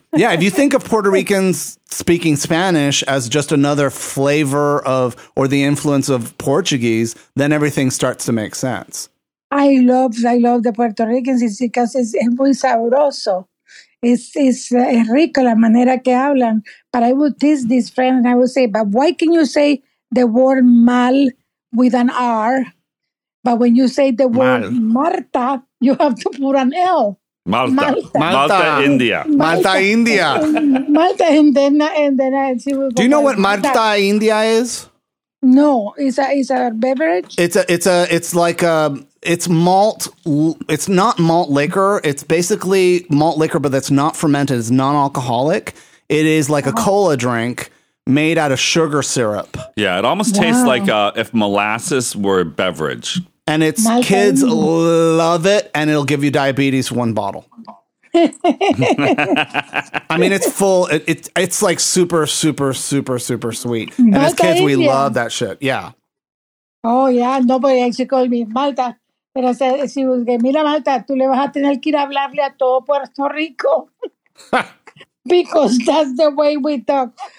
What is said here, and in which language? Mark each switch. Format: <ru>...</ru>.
<en>if you think of Puerto Ricans speaking Spanish as just another flavor of or the influence of Portuguese, then everything starts to make sense. I love the Puerto Ricans because it's</en> <es>muy sabroso.</es> <en>It's</en> <es>rico la manera que hablan.</es> <en>But I would tease this friend and I would say, but why can you say the word mal with an R? But when you say the word Marta, you have to put an L. Malta, India. Malta, and then do you know what Malta India is? No, it's a beverage. It's malt. It's not malt liquor. It's basically malt liquor, but that's not fermented. It's non-alcoholic. It is like a cola drink made out of sugar syrup. Yeah, it almost tastes like if molasses were a beverage. And it's Malta kids India. Love it, and it'll give you diabetes one bottle. I mean, it's full. It's like super, super, super, super sweet. Malta and as kids, India. We love that shit. Yeah. Oh, yeah. Nobody actually called me Malta.</en> <es>Pero si busqué, mira, Malta, tú le vas a tener que ir a hablarle a todo Puerto Rico.</es> <en>Because that's the way we talk.</en>